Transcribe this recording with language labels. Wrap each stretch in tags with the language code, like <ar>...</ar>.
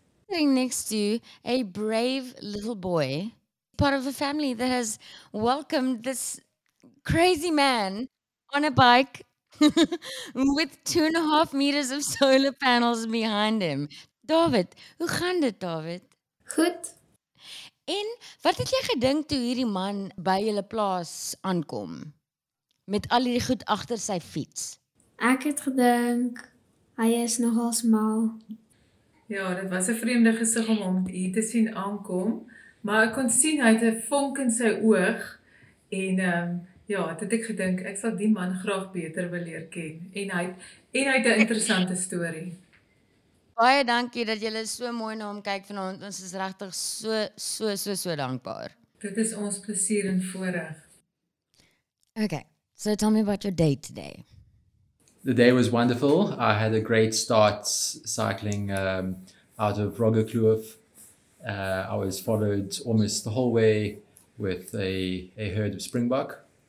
<en>Sitting next to a brave little boy, part of a family that has welcomed this crazy man on a bike with 2.5 meters of solar panels behind him.</en> <af>David, hoe gaan dit, David? Goed. En wat het jy gedink toe hierdie man by julle plaas aankom met al die goed agter sy fiets? Ek het gedink hy is nogal smal. Ja, dit was 'n vreemde gesig om hom hier te sien aankom, maar ek kon sien hy het 'n vonk in sy oog en ja, dit het ek gedink ek sal die man graag beter wil leer ken en hy het 'n interessante storie. Baie dankie dat julle so mooi na hom kyk vanaand. Ons is regtig so dankbaar. Dit is ons plesier en voorreg.</af> <en>Okay, so tell me about your day today. The day was wonderful. I had a great start cycling out of Roggekloof. I was followed almost the whole way with a herd of springbok.</en>